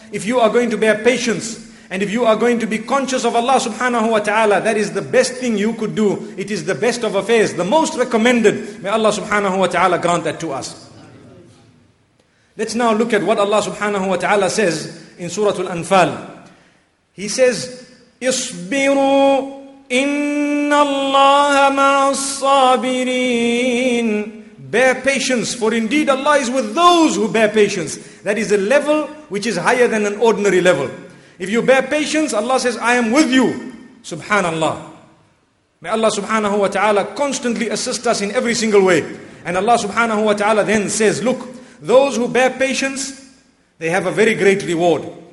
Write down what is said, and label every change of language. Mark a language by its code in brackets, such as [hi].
[en] If you are going to bear patience and if you are going to be conscious of Allah subhanahu wa ta'ala, that is the best thing you could do. It is the best of affairs, the most recommended. May Allah subhanahu wa ta'ala grant that to us. Let's now look at what Allah subhanahu wa ta'ala says in Surah Al-Anfal. He says, [ar] اصبروا إن الله مع الصابرين. [en] Bear patience, for indeed Allah is with those who bear patience. That is a level which is higher than an ordinary level. If you bear patience, Allah says, I am with you. Subhanallah. May Allah subhanahu wa ta'ala constantly assist us in every single way. And Allah subhanahu wa ta'ala then says, look, those who bear patience, they have a very great reward.